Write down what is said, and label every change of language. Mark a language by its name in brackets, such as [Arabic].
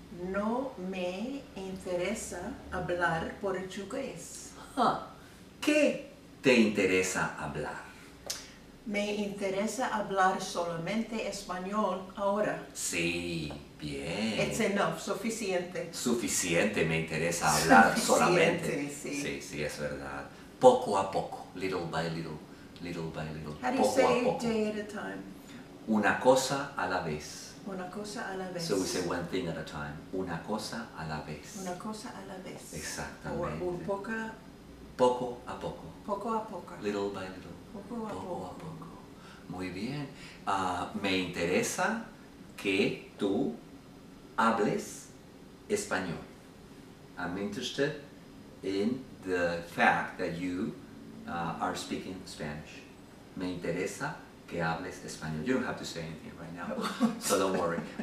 [Spanish] No me interesa hablar portugués. ¿Qué te interesa hablar? Me interesa hablar solamente español ahora. Sí, bien. [English] It's enough, suficiente. [Spanish] Suficiente, me interesa hablar solamente. Sí. Sí, es verdad. Poco a poco, [English] little by little, little by little. How do you [Spanish] poco [English] say [Spanish] a poco. [English] Day at a time? [Spanish] Una cosa a la vez. Una cosa a la vez. [English] So we say one thing at a time. [Spanish] Una cosa a la vez. Una cosa a la vez. Exactamente. O poco. Poco a poco. Poco a poco. [English] Little by little. [Spanish] Poco a poco. Muy bien. Me interesa que tú hables español. [English] I'm interested in the fact that you are speaking Spanish. [Spanish] Me interesa que hables español. [English] You don't have to say anything right now, so don't worry.